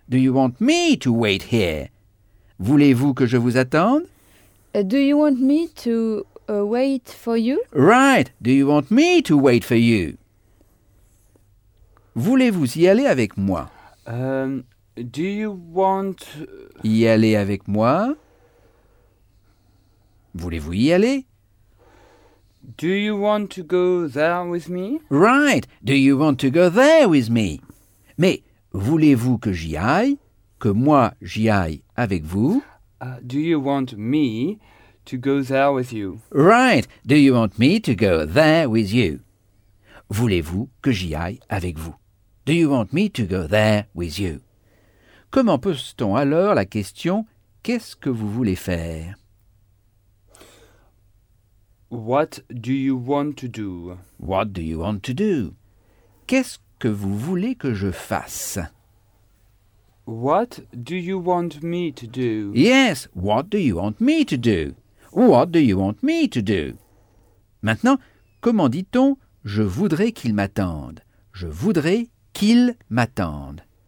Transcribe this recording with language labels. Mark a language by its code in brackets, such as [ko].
[en] Do you want me to wait here? [fr] Voulez-vous que je vous attende? [en] Do you want me to wait for you? Right. Do you want me to wait for you? [fr] Voulez-vous y aller avec moi? [en] Do you want... [fr] Y aller avec moi? Voulez-vous y aller? [en] Do you want to go there with me? Right. Do you want to go there with me? [fr] Mais voulez-vous que j'y aille, que moi j'y aille avec vous? [en] Do you want me to go there with you? Right. Do you want me to go there with you? [fr] Voulez-vous que j'y aille avec vous? [en] Do you want me to go there with you? [fr] Comment pose-t-on alors la question « qu'est-ce que vous voulez faire ?» [en] What do you want to do? What do you want to do? [fr] Qu'est-ce que vous voulez que je fasse? [en] What do you want me to do? Yes, what do you want me to do? What do you want me to do? [fr] Maintenant, comment dit-on je voudrais qu'il m'attende? Je voudrais qu'il m'attende.